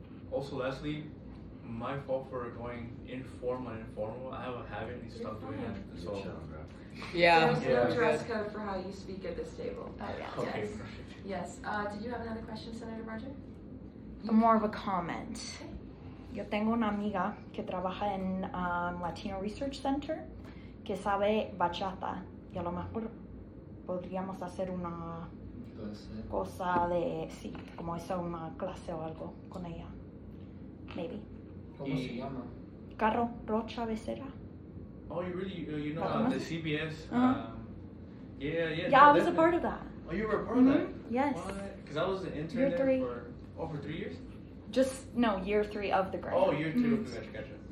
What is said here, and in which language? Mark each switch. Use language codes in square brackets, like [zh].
[en] Also, lastly, my fault for going informal and informal. I have a habit and stopped doing that. Good so, job, yeah, there's no dress code for how you speak at this table. Yes, did you have another question, Senator Barger? More of a comment. [es] Yo tengo una amiga que trabaja en Latino Research Center que sabe bachata y a lo mejor podríamos hacer una cosa de, sí, como eso, una clase o algo con ella. [en] Maybe. [es] ¿Cómo se llama? Carro Rocha Becerra. [en] Oh, you really, you know, the CBS? I was a part of that. Oh, you were a part of that? Yes. Because I was an intern there for... Oh, for 3 years? Year three of the grad. Oh, year two of the grad. Gotcha.